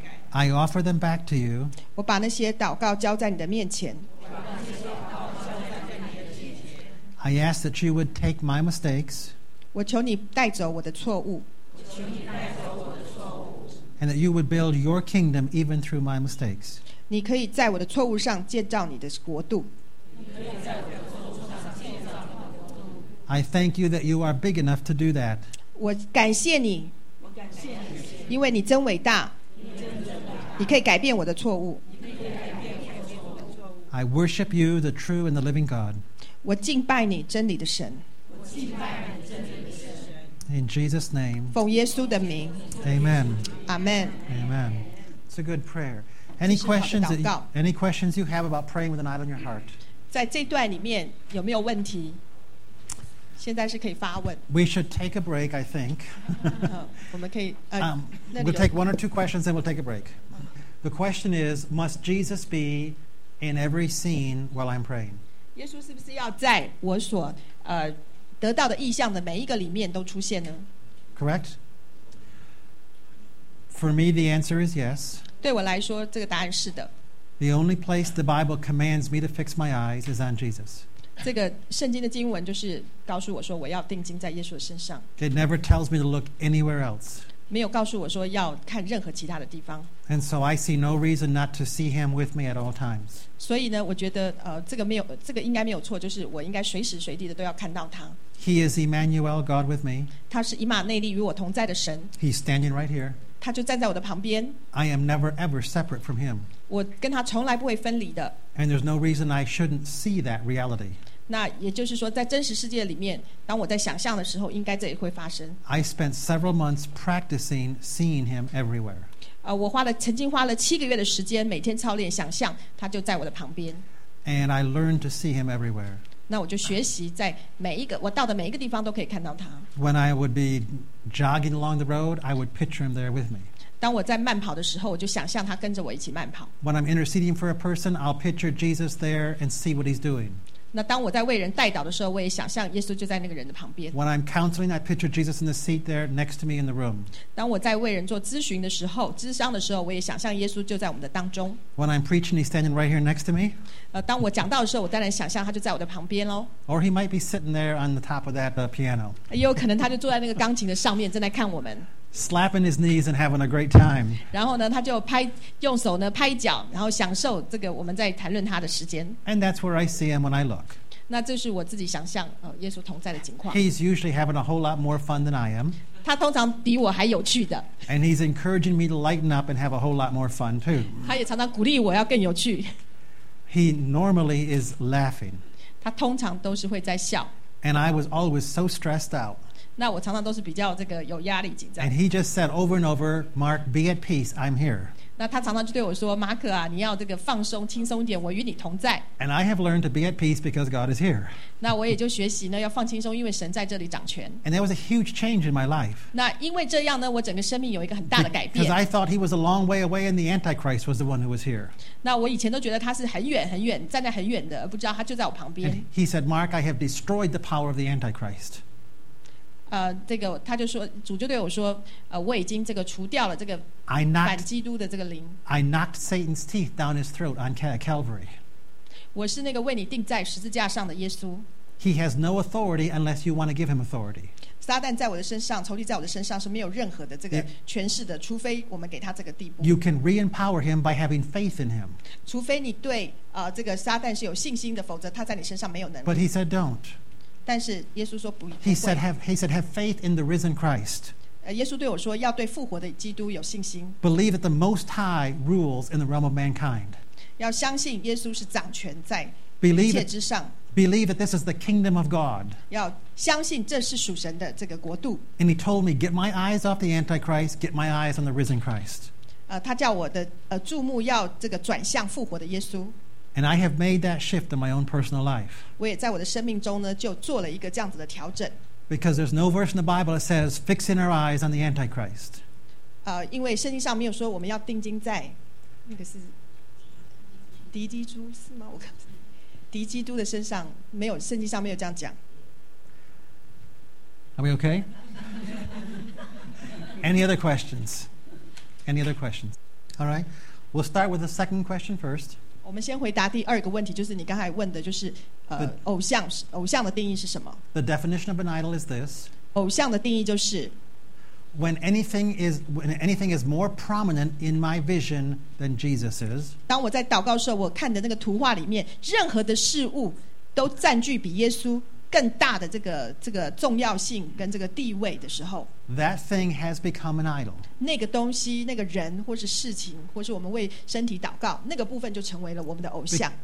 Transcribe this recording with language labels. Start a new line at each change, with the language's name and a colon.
English: I offer them back to you.
Chinese: 我把那些祷告交在你的面前。
English: I ask that you would take my mistakes.
Chinese: 我求你带走我的错误。
English: And that you would build your kingdom even through my mistakes.
Chinese: 你可以在我的错误上建造你的国度。
English: I thank you that you are big enough to do that.
Chinese: 我感谢你。因为你真伟大。你可以改变我的错误。
English: I worship you, the true and the living God.
Chinese: 我敬拜你，真理的神。
English: In Jesus' name.
Chinese: 奉耶稣的名。
English: Amen. Amen. Amen. It's a good prayer. Any questions? Any questions you have about praying with an idol in your heart?
Chinese: 在这段里面有没有问题？现在是可以发问。
English: We should take a break, I think.
Chinese: 我们可以
English: We'll take one or two questions, and we'll take a break. The question is, must Jesus be in every scene while I'm praying?
Chinese: 耶稣是不是要在我所得到的意象的每一个里面都出现呢？
English: Correct. For me, the answer is yes.
Chinese: 对我来说，这个答案是的。
English: The only place the Bible commands me to fix my eyes is on Jesus.
Chinese: 这个圣经的经文就是告诉我说，我要定睛在耶稣的身上。
English: It never tells me to look anywhere else.
Chinese: 没有告诉我说要看任何其他的地方。
English: And so I see no reason not to see him with me at all times.
Chinese: 所以呢，我觉得这个应该没有错，就是我应该随时随地的都要看到他。
English: He is Emmanuel, God with me.
Chinese: 他是以马内利与我同在的神。
English: He's standing right here.
Chinese: 他就站在我的旁边。
English: I am never ever separate from him.
Chinese: 我跟他从来不会分离的。
English: And there's no reason I shouldn't see that reality.
Chinese: 那也就是说，在真实世界里面，当我在想象的时候，应该这也会发生。
English: I spent several months practicing seeing him everywhere.
Chinese: 我曾经花了七个月的时间，每天操练想象，他就在我的旁边。
English: And I learned to see him everywhere.
Chinese: 那我就学习在每一个我到的每一个地方都可以看到他。
English: When I would be jogging along the road, I would picture him there with me.
Chinese: 当我在慢跑的时候，我就想象他跟着我一起慢跑。
English: When I'm interceding for a person, I'll picture Jesus there and see what he's doing.
Chinese: 那当我在为人代祷的时候，我也想象耶稣就在那个人的旁边。
English: When I'm counseling, I picture Jesus in the seat there next to me in the room.
Chinese: 当我在为人做咨询的时候，咨商的时候，我也想象耶稣就在我们的当中。
English: When I'm preaching, he's standing right here next to me.
Chinese: 当我讲道的时候，我当然想象他就在我的旁边喽。
English: Or he might be sitting there on the top of that piano.
Chinese: 也有可能他就坐在那个钢琴的上面，正在看我们。
English: Slapping his knees and having a great time.
Chinese: 然后呢，他就拍用手呢拍脚，然后享受这个我们在谈论他的时间。
English: And that's where I see him when I look.
Chinese: 那这是我自己想象，耶稣同在的情况。
English: He's usually having a whole lot more fun than I am.
Chinese: 他通常比我还有趣的。
English: And he's encouraging me to lighten up and have a whole lot more fun too.
Chinese: 他也常常鼓励我要更有趣。
English: He normally is laughing.
Chinese: 他通常都是会在笑。
English: And I was always so stressed out.
Chinese: 那我常常都是比较这个有压力紧张。
English: And he just said over and over, Mark, be at peace, I'm here.
Chinese: 那他常常就对我说，马可啊，你要这个放松，轻松点，我与你同在。
English: And I have learned to be at peace because God is here.
Chinese: 那我也就学习呢，要放轻松，因为神在这里掌权。
English: And that was a huge change in my life.
Chinese: 那因为这样呢，我整个生命有一个很大的改变。
English: Because I thought he was a long way away and the Antichrist was the one who was here.
Chinese: 那我以前都觉得他是很远很远，站在很远的，而不知道他就在我旁边。
English: And he said, Mark, I have destroyed the power of the Antichrist.
Chinese: 这个他就说，主就对我说，我已经这个除掉了这个反基督的这个灵。
English: I knocked Satan's teeth down his throat on Calvary.
Chinese: 我是那个为你钉在十字架上的耶稣。
English: He has no authority unless you want to give him authority.
Chinese: 撒旦在我的身上，仇敌在我的身上是没有任何的这个权势的，除非我们给他这个地步。
English: You can re-empower him by having faith in him.
Chinese: 除非你对这个撒旦是有信心的，否则他在你身上没有能力。
English: But he said, don't.
Chinese: 但是耶稣说不会。
English: He said, have faith in the risen Christ.
Chinese: 耶稣对我说，要对复活的基督有信心。
English: Believe that the Most High rules in the realm of mankind.
Chinese: 要相信耶稣是掌权在一切之上。
English: Believe that this is the kingdom of God.
Chinese: 要相信这是属神的这个国度。
English: And he told me, get my eyes off the Antichrist, get my eyes on the risen Christ.
Chinese: 他叫我的注目要这个转向复活的耶稣。
English: And I have made that shift in my own personal life.
Chinese: 我也在我的生命中呢，就做了一个这样子的调整。
English: Because there's no verse in the Bible that says fixing our eyes on the Antichrist.
Chinese: 因为圣经上没有说我们要定睛在那个是敌基督是吗？我看敌基督的身上没有，圣经上没有这样讲。
English: Are we okay? Any other questions? Any other questions? All right. We'll start with the second question first.
Chinese: 我们先回答第二个问题，就是你刚才问的，就是偶像的定义是什么
English: ？The definition of an idol is this.
Chinese: 偶像的定义就是
English: when anything is more prominent in my vision than Jesus is.
Chinese: 当我在祷告的时候，我看的那个图画里面，任何的事物都占据比耶稣更大的这个重要性跟这个地位的时候
English: ，that thing has become an idol.
Chinese: 那个东西、那个人或是事情，或是我们为身体祷告，那个部分就成为了我们的偶像。